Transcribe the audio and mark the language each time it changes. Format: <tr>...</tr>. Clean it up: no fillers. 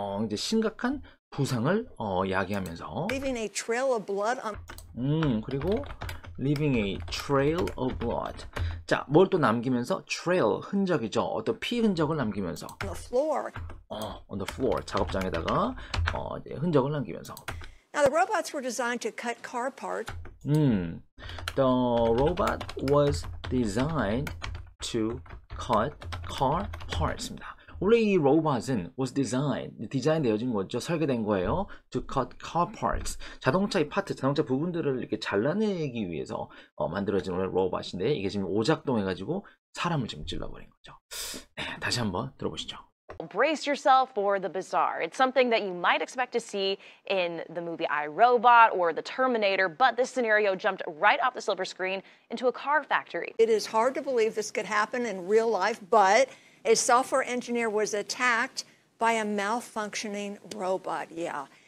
<ko>이제 심각한 부상을 야기하면서.</ko> <en>Leaving a trail of blood.</en> <ko>그리고</ko> <en>leaving a trail of blood.</en> <ko>자, 뭘 또 남기면서 trail 흔적이죠. 어떤 피 흔적을 남기면서.</ko> <en>On the floor. On the floor.</en> <ko>작업장에다가 이제 흔적을 남기면서.</ko> <en>Now the robots were designed to cut car parts. The robot was designed to cut car parts입니다.</en> <ko>원래 이 로봇은 was designed, 디자인되어진 거죠. 설계된 거예요.</ko> <en>To cut car parts.</en> <ko>자동차의 파트, 자동차 부분들을 이렇게 잘라내기 위해서 만들어진 로봇인데 이게 지금 오작동해가지고 사람을 지금 찔러버린 거죠. 네, 다시 한번 들어보시죠.</ko> <en>Brace yourself for the bizarre. It's something that you might expect to see in the movie iRobot or the Terminator, but this scenario jumped right off the silver screen into a car factory. It is hard to believe this could happen in real life, but a software engineer was attacked by a malfunctioning robot. Yeah.</en>